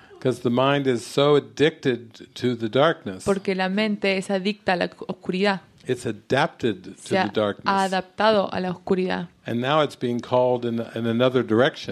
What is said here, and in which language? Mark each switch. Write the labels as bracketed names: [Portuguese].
[English] Because the mind is so addicted to the darkness. [Spanish] Porque la mente es adicta a la oscuridad. [English] It's adapted to the darkness. [Spanish] Se ha adaptado a la oscuridad. [English] And now it's being called in another direction.